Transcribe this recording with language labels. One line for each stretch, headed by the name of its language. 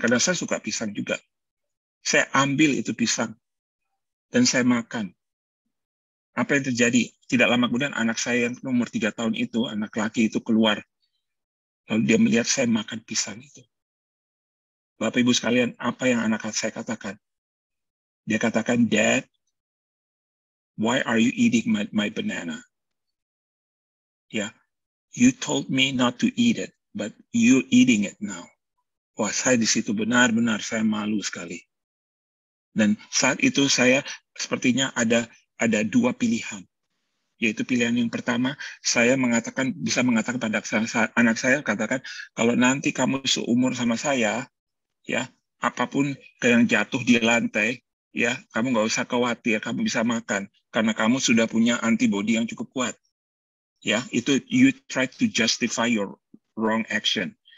Indonesian: Karena saya suka pisang juga. Saya ambil itu pisang, dan saya makan. Apa yang terjadi? Tidak lama kemudian anak saya yang nomor 3 tahun itu, anak laki itu keluar. Lalu dia melihat saya makan pisang itu. Bapak Ibu sekalian, apa yang anak saya katakan? Dia katakan,
English: Dad, why are you eating my banana? Ya, you told me not to eat it, but you eating it now.
Indonesian: Wah, saya di situ benar-benar saya malu sekali. Dan saat itu saya sepertinya ada dua pilihan. Yaitu pilihan yang pertama, saya mengatakan bisa mengatakan pada anak saya, katakan, kalau nanti kamu seumur sama saya, ya apapun yang jatuh di lantai, ya kamu nggak usah khawatir, kamu bisa makan, karena kamu sudah punya antibody yang cukup kuat. Ya, itu
English: you try to justify your wrong action.